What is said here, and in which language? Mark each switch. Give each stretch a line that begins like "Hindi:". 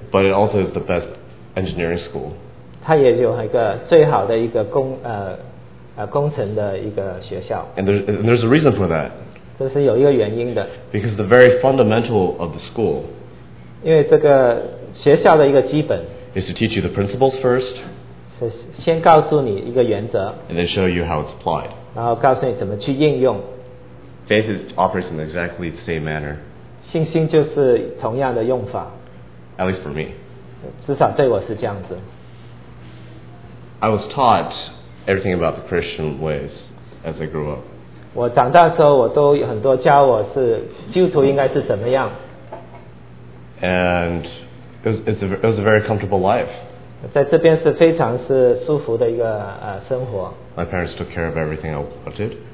English: But it also is the best engineering school.
Chinese: 它也有一个最好的一个工程的一个学校。
English: And there's a reason for that.
Chinese: 这是有一个原因的。
English: Because the very fundamental of the school.
Chinese: 因为这个学校的一个基本。
English: Is to teach you the principles first.
Chinese: 是先告诉你一个原则。
English: And then show you how it's applied.
Chinese: 然后告诉你怎么去应用。
English: Faith operates in exactly the same manner.
Chinese: 信心就是同样的用法。
English: At least for me.
Chinese: 至少对我是这样子。
English: I was taught everything about the Christian ways as I grew up.
Chinese: 我长大的时候，我都有很多教我是基督徒应该是怎么样。
English: And it was a very comfortable life.
Chinese: 在这边是非常是舒服的一个生活。
English: My parents took care of everything I wanted.